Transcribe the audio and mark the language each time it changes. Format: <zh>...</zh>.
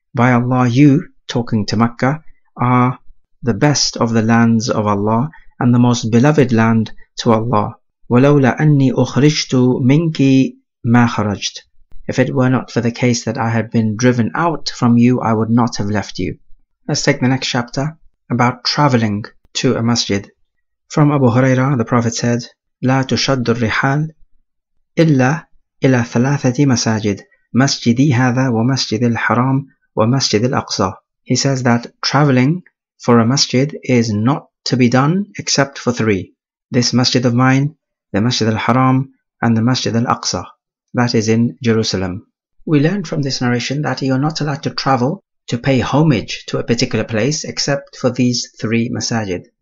<en>By Allah, you, talking to Mecca, are the best of the lands of Allah and the most beloved land to Allah.</en> <ar>وَلَوْلَا أَنِّي أُخْرِجْتُ مِنْكِ مَا خَرَجْتُ.</ar> <en>If it were not for the case that I had been driven out from you, I would not have left you. Let's take the next chapter about traveling to a masjid. From Abu Hurairah, the Prophet said,</en> <ar>لَا تُشَدُّ الرِّحَالِ إِلَّا إِلَى ثَلَاثَةِ مَسَاجِدِ مَسْجِدِي هَذَا وَمَسْجِدِ الْحَرَامِ وَمَسْجِدِ الْأَقْصَى.</ar> <en>He says that traveling for a masjid is not to be done except for three. This masjid of mine, the Masjid al-Haram, and the Masjid al-Aqsa, that is in Jerusalem. We learn from this narration that you're not allowed to travel to pay homage to a particular place except for these three masajid.</en>